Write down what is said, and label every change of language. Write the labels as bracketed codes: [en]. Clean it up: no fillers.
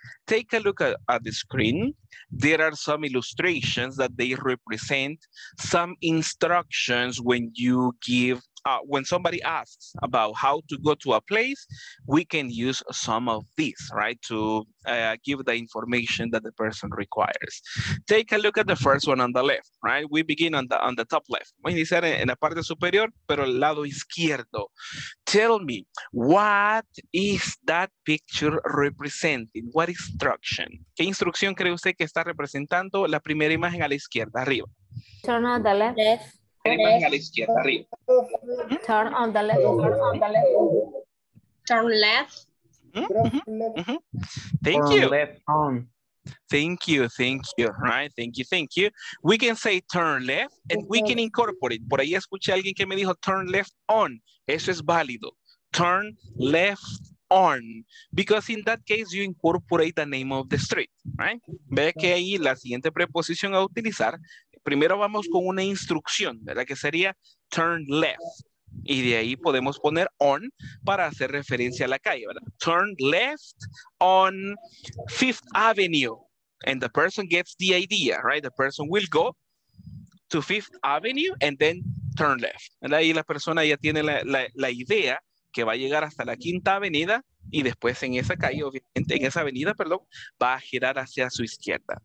[en] take a look at the screen. There are some illustrations that they represent some instructions when you give, when somebody asks about how to go to a place, we can use some of these, right, to give the information that the person requires. Take a look at the first one on the left, right? We begin on the top left. [es] Voy a iniciar en la parte superior, pero el lado izquierdo. [en] Tell me, what is that picture representing? What instruction? [es] ¿Qué instrucción cree usted que está representando la primera imagen a la izquierda, arriba? [en] Turn on the left. Turn on the left. Turn left. Thank you. Turn left. Thank you. Thank you. Right. Thank you. Thank you. We can say turn left and we can incorporate. [es] Por ahí escuché a alguien que me dijo [en] turn left on. [es] Eso es válido. [en] Turn left on. Because in that case, you incorporate the name of the street. Right. [es] Ve que ahí la siguiente preposición a utilizar. Primero vamos con una instrucción, ¿verdad? Que sería [en] turn left. [es] Y de ahí podemos poner on para hacer referencia a la calle, ¿verdad? [en] Turn left on Fifth Avenue. And the person gets the idea, right? The person will go to Fifth Avenue and then turn left. [es] ¿Verdad? Y la persona ya tiene la idea que va a llegar hasta la Quinta Avenida y después en esa calle, obviamente, en esa avenida, perdón, va a girar hacia su izquierda.